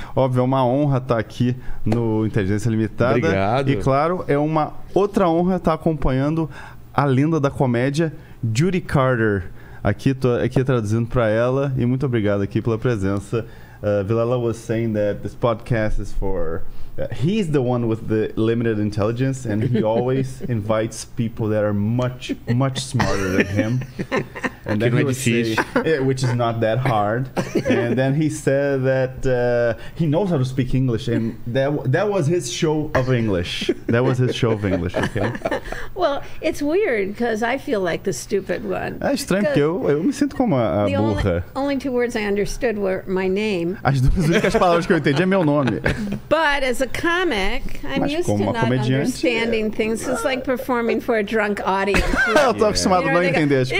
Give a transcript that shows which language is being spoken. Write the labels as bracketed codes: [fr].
[pt] Óbvio, é uma honra estar aqui no Inteligência Limitada. Obrigado. E claro, é uma outra honra estar acompanhando a lenda da comédia, Judy Carter. Aqui traduzindo para ela. E muito obrigado aqui pela presença. [en] Vilela was saying that this podcast is for... he's the one with the limited intelligence, and he always invites people that are much, much smarter than him. And then he would say, which is not that hard. And then he said that he knows how to speak English, and that was his show of English. That was his show of English, okay? Well, it's weird, because I feel like the stupid one. [pt] É estranho, porque eu me sinto como a burra. [en] The only two words I understood were my name. [pt] As duas únicas palavras que eu entendi é meu nome. [en] But as a comic, I'm [pt] mas [en] used to not [pt] comediante. [en] Understanding things. It's like performing for a drunk audience. [pt] Eu tô acostumado a não entender as coisas.